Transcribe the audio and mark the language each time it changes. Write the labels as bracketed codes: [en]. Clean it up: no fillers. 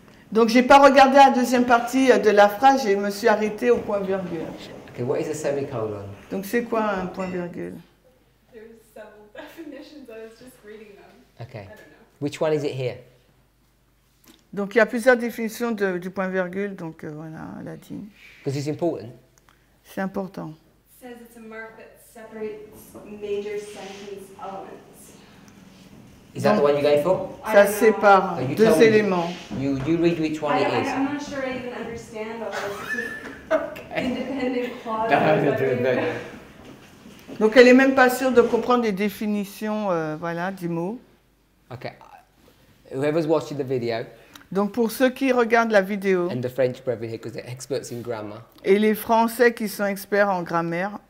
[fr] Donc j'ai pas regardé la deuxième partie de la phrase et je me suis arrêté au point virgule. [en] Okay, what is a semicolon? [fr] Donc c'est quoi un point virgule? [en] There's several definitions. I was just reading them. Okay. I don't know. Which one is it here? [fr] Donc il y a plusieurs définitions du point virgule, donc voilà, elle a dit. [en] Because it's important. [fr] C'est important. It [en] says it's a mark that separates major sentence elements. Is that the one you're going for? [fr] Ça sépare deux éléments. [en] You read which one it is. I'm not sure I even understand all this. Independent clauses. [fr] Donc elle est même pas sûre de comprendre les définitions, voilà, du mot. [en] Okay. Whoever's watching the video. [fr] Donc pour ceux qui regardent la vidéo [en] and the French brethren here, 'cause they're experts in grammar, [fr] et les Français qui sont experts en grammaire